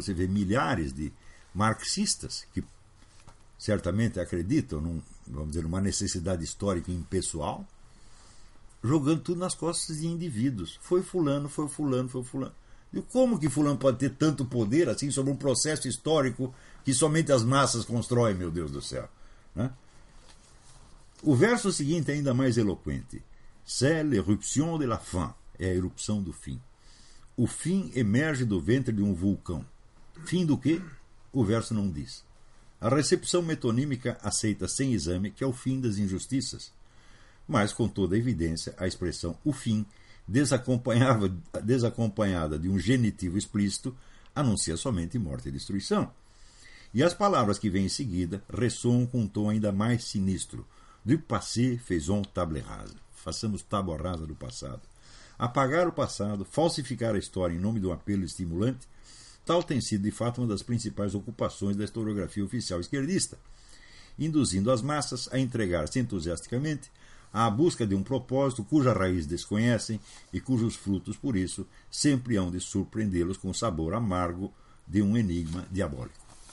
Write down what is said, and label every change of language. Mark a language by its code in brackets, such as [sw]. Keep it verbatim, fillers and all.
[pt] Você vê milhares de marxistas que certamente acreditam num, vamos dizer, numa necessidade histórica impessoal, jogando tudo nas costas de indivíduos. Foi fulano, foi fulano, foi fulano. E como que fulano pode ter tanto poder assim sobre um processo histórico que somente as massas constroem, meu Deus do céu? Né? O verso seguinte é ainda mais eloquente. [fr] C'est l'éruption de la faim. [pt] É a erupção do fim. O fim emerge do ventre de um vulcão. Fim do quê? O verso não diz. A recepção metonímica aceita sem exame que é o fim das injustiças. Mas, com toda a evidência, a expressão o fim, desacompanhada de um genitivo explícito, anuncia somente morte e destruição. E as palavras que vêm em seguida ressoam com um tom ainda mais sinistro. [fr] Du passé, faisons table rase. [pt] Façamos tábua rasa do passado. Apagar o passado, falsificar a história em nome de um apelo estimulante, tal tem sido de fato uma das principais ocupações da historiografia oficial esquerdista, induzindo as massas a entregar-se entusiasticamente à busca de um propósito cuja raiz desconhecem e cujos frutos, por isso, sempre hão de surpreendê-los com o sabor amargo de um enigma diabólico.